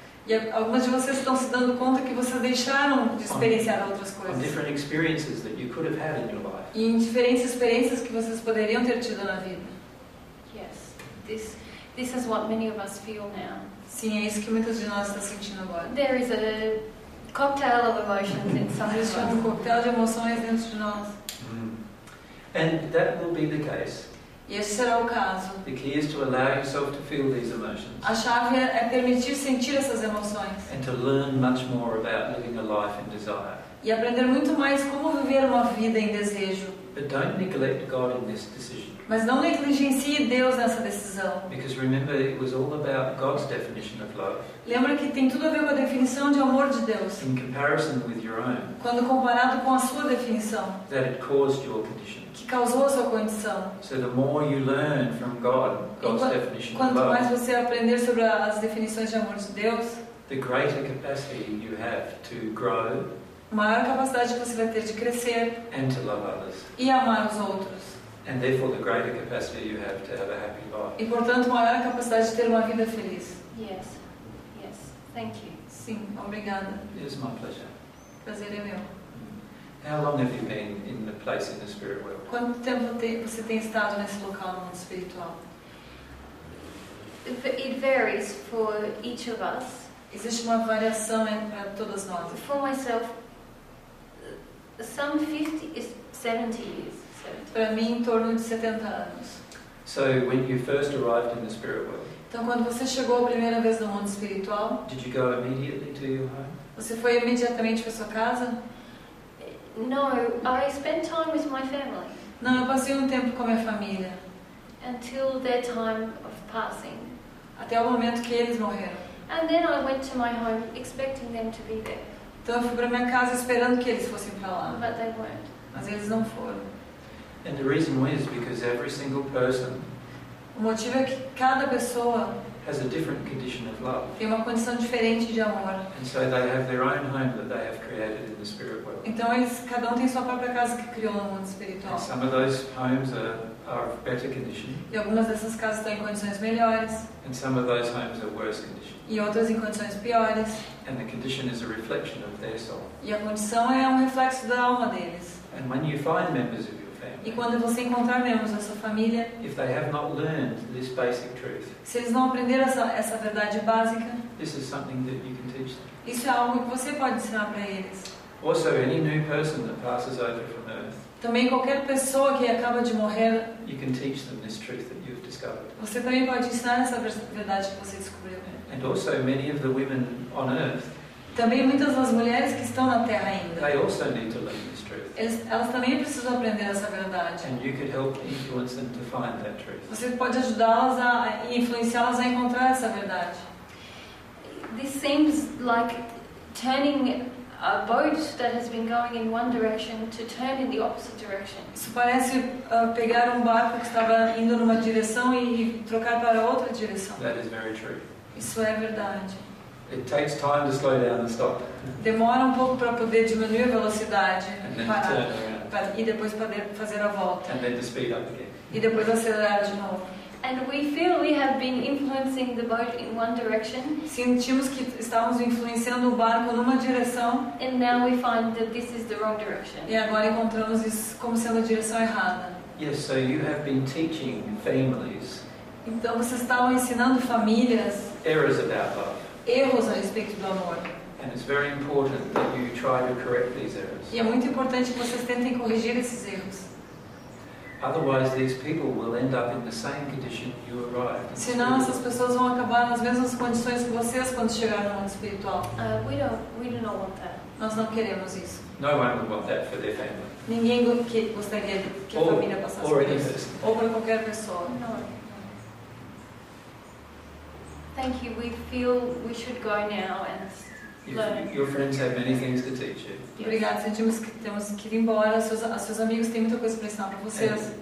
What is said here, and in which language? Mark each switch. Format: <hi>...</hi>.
<pt>E algumas de vocês estão se dando conta que vocês deixaram de experienciar outras coisas.</pt> <en>Different experiences that you could have had in your life.</en> <pt>E em diferentes experiências que vocês poderiam ter tido na vida.</pt> <en>Yes, this is what many of us feel now.</en> <pt>Sim, é isso que muitos de nós estão sentindo agora.</pt> <en>There is a cocktail of emotions inside us.</en> <pt>Um cocktail de emoções dentro de nós.</pt> <en>And that will be the case.</en> <pt>E esse será o caso.</pt> <en>The key is to allow yourself to feel these emotions.</en> <pt>A chave é permitir sentir essas emoções.</pt> <en>And to learn much more about living a life in desire.</en> <pt>E aprender muito mais como viver uma vida em desejo.</pt> <en>But don't neglect God in this decision.</en> <pt>Mas não negligencie Deus nessa decisão.</pt> <en>Because remember, it was all about God's definition of love.</en> <pt>Lembra que tem tudo a ver com a definição de amor de Deus.</pt> <en>In comparison with your own.</en> <pt>Quando comparado com a sua definição.</pt> <en>That it caused your condition.</en> <pt>Que causou a sua condição.</pt> <en>So the more you learn from God, God's definition of love.</en> <pt>Quanto mais você aprender sobre as definições de amor de Deus.</pt> <en>The greater capacity you have to grow.</en> <pt>Maior capacidade que você vai ter de crescer.</pt> <en>And to love others.</en> <pt>E amar os outros.</pt> <en>And therefore the greater capacity you have to have a happy life.</en> <pt>E portanto maior capacidade de ter uma vida feliz.</pt> <en>Yes. Yes. Thank you.</en> <pt>Sim. Obrigada.</pt> <en>It is my pleasure.</en> <pt>Prazer é meu.</pt> <en>How long have you been in the place in the spirit world?</en> <pt>Quanto tempo você tem estado nesse local no mundo espiritual?</pt> <en>It varies for each of us.</en> <pt>Existe uma variação para todas nós.</pt> <en>For myself, some 70 years.</en> <pt>Para mim, em torno de 70 anos.</pt> <en>So when you first arrived in the spirit world.</en> <pt>Então, quando você chegou a primeira vez no mundo espiritual.</pt> <en>Did you go immediately to your home?</en> <pt>Você foi imediatamente para sua casa?</pt> <en>No, I spent time with my family.</en> <pt>Não, eu passei tempo com a minha família.</pt> <en>Until their time of passing.</en> <pt>Até o momento que eles morreram.</pt> <en>And then I went to my home expecting them to be there.</en> <pt>Então, eu fui para minha casa esperando que eles fossem para lá.</pt> <en>But they weren't.</en> <pt>Mas eles não foram.</pt> <en>And the reason why is because every single person.</en> <pt>O motivo é que cada pessoa</pt> <en>has a different condition of love.</en> <pt>Tem uma condição diferente de amor.</pt> <en>And so they have their own home that they have created in the spirit world.</en> <pt>Então eles, cada tem sua própria casa que criou no mundo espiritual.</pt> <en>And some of those homes are of better condition.</en> <pt>E algumas dessas casas estão em condições melhores.</pt> <en>And some of those homes are worse condition.</en> <pt>E outras em condições piores.</pt> <en>And the condition is a reflection of their soul.</en> <pt>E a condição é reflexo da alma deles.</pt> <en>And when you find members of</en> <pt>e quando você encontrar membros da sua família,</pt> <en>if they have not learned this basic truth,</en> <pt>se eles não aprenderam essa verdade básica,</pt> <en>this is something that you can teach them.</en> <pt>Isso é algo que você pode ensinar para eles.</pt> <en>Also, any new person that passes over from earth.</en> <pt>Também qualquer pessoa que acaba de morrer.</pt> <en>You can teach them this truth that you've discovered.</en> <pt>Você também pode ensinar essa verdade que você descobriu.</pt> <en>And also, many of the women on earth.</en> <pt>Também muitas das mulheres que estão na Terra ainda.</pt> <en>They also need to learn this truth.</en> <pt>Elas também precisam aprender essa verdade.</pt> <en>And you could help influence them to find that truth.</en> <pt>Você pode ajudá-las a influenciá-las a encontrar essa verdade.</pt> <en>This seems like turning a boat that has been going in one direction to turn in the opposite direction.</en> <pt>Isso parece pegar barco que estava indo numa direção e trocar para outra direção.</pt> <en>That is very true.</en> <pt>Isso é verdade.</pt> <en>It takes time to slow down and stop.</en> <pt>Demora pouco para poder diminuir a velocidade</pt> <en>and then</en> <pt>parar,</pt> <en>turn around.</en> <pt>E depois poder fazer a volta.</pt> <en>And then to speed up again.</en> <pt>E depois acelerar de novo.</pt> <en>And we feel we have been influencing the boat in one direction.</en> <pt>Sentimos que estávamos influenciando o barco numa direção.</pt> <en>And now we find that this is the wrong direction.</en> <pt>E agora encontramos isso como sendo a direção errada.</pt> <en>Yes, so you have been teaching families.</en> <pt>Então vocês estavam ensinando famílias.</pt> <en>Errors about love.</en> <pt>Erros a respeito do amor.</pt> <en>And it's very important that you try to correct these errors.</en> <pt>E é muito importante que vocês tentem corrigir esses erros.</pt> <en>Otherwise, these people will end up in the same condition you arrived.</en> <pt>Senão, essas pessoas vão acabar nas mesmas condições que vocês quando chegaram no mundo espiritual.</pt> <en>We don't want that.</en> <pt>Nós não queremos isso.</pt> <en>No one would want that for their family.</en> <pt>Ninguém gostaria que a família passasse por isso. Ou para qualquer pessoa.</pt> <en>No. Thank you. We feel we should go now and learn. Your friends have many things to teach you.</en> <pt>Obrigada. Sentimos que temos que ir embora. Seus amigos têm muita coisa para ensinar para vocês.</pt>